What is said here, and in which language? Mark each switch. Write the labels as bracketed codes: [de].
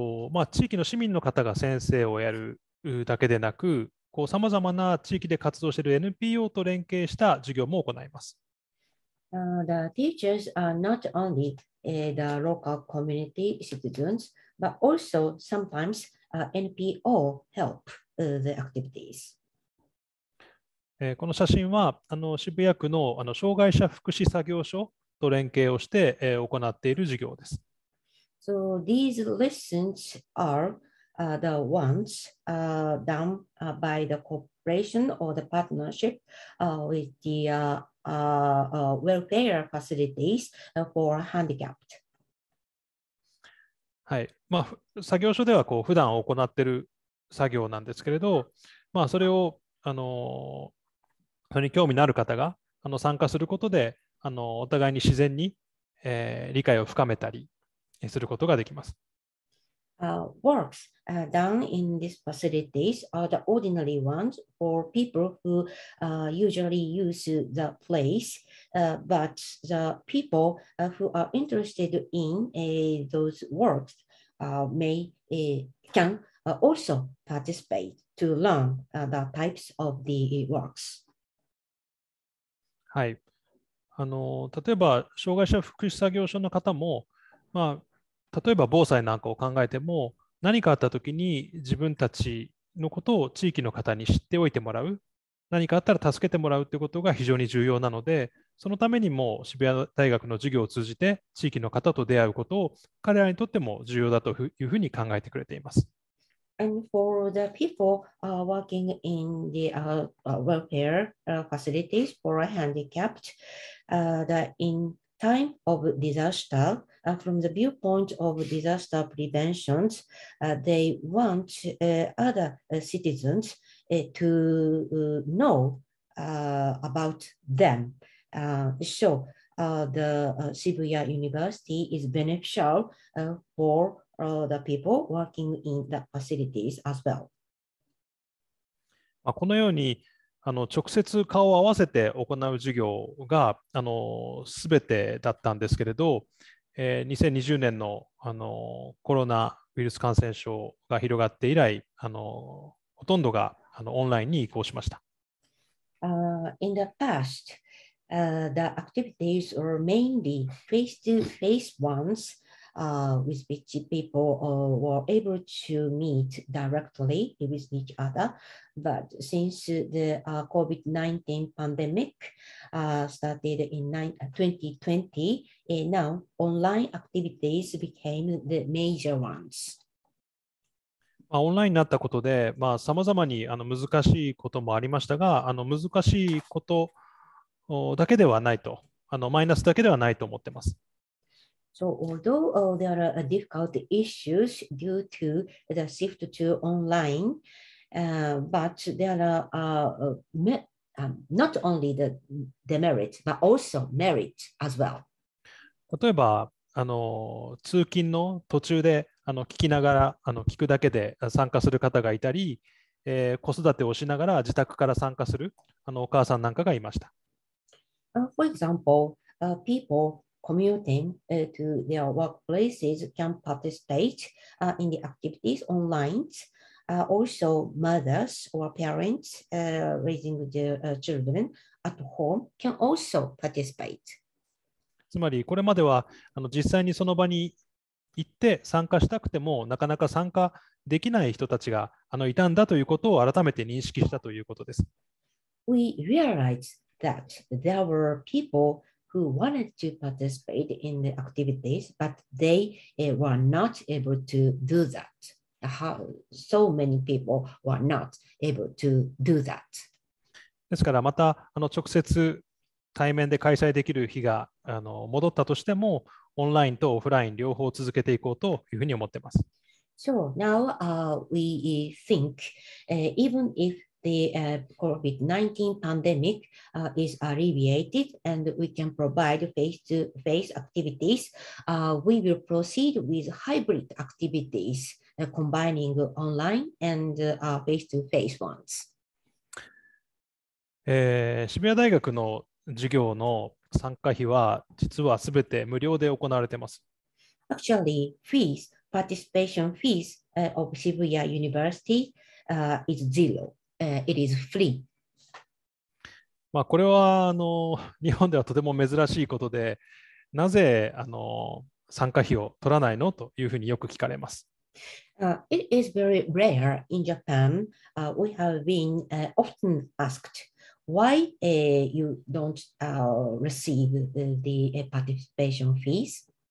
[ja] まあ、地域の市民の方が先生をやるだけでなく、こう様々な地域で活動している NPO と連携した授業も行います。 [en] The teachers are not only the local community citizens, but also sometimes NPO help the activities. [ja] この写真は渋谷区の障害者福祉作業所と連携をして行っている授業です。 [en] So these lessons are the ones done by the cooperation or the partnership with the welfare facilities for handicapped. [ja] はい。まあ、作業所ではこう普段行っている作業なんですけれど、まあ、それをそれに興味のある方が参加することで、お互いに自然に、理解を深めたりすることができます。 [en] Works done in these facilities are the ordinary ones for people who usually use the place, but the people who are interested in those works can also participate to learn the types of the works. [ja] はい。例えば障害者福祉作業所の方も、まあ、例えば防災なんかを考えても何かあった時に自分たちのことを地域の方に知っておいてもらう、何かあったら助けてもらうということが非常に重要なので、そのためにも渋谷大学の授業を通じて地域の方と出会うことを彼らにとっても重要だというふうに考えてくれています。 [en] And for the people working in the welfare facilities for handicapped, the in time of disaster, from the viewpoint of disaster prevention, they want other citizens to know about them. So the Shibuya University is beneficial for. The people working in the facilities as well. [ja] まあ、このように直接顔を合わせて行う授業が全てだったんですけれど、2020年 の, コロナウイルス感染症が広がって以来ほとんどがオンラインに移行しました。 [en] In the past, the activities were mainly face-to-face onesWith which people were able to meet directly with each other. But since the COVID-19 pandemic started in 2020, now online activities became the major ones.、 [ja] まあ、オンラインになったことで、まあ、様々に難しいこともありましたが、難しいことだけではないと、マイナスだけではないと思っています。 [en] So although there are difficult issues due to the shift to online, but there are not only the demerit, but also merit as well. [ja] 例えば通勤の途中で聞きながら聞くだけで参加する方がいたり、子育てをしながら自宅から参加するお母さんなんかがいました。 [en] For example, peoplecommuting to their workplaces can participate in the activities online. Also, mothers or parents raising their children at home can also participate. [ja] つまりこれまでは実際にその場に行って参加したくてもなかなか参加できない人たちがいたんだということを改めて認識したということです。 [en] We realized that there were peoplewho wanted to participate in the activities, but they were not able to do that. So many people were not able to do that. [ja] ですからまた直接対面で開催できる日が戻ったとしても、オンラインとオフライン両方続けていこうというふうに思っています。 [en] So now we think even ifThe COVID-19 pandemic is alleviated and we can provide face-to-face activities. We will proceed with hybrid activities, combining online and face-to-face ones. [ja] 渋谷大学の授業の参加費は実は全て無料で行われています。 [en] Actually, fees, participation fees of Shibuya University is zero. It is free. [ja] まあ、これは日本ではとても珍しいことで、なぜ参加費を取らないのというふうによく聞かれます。 [en] It is very rare in Japan. We have been often asked why you don't receive the participation fees.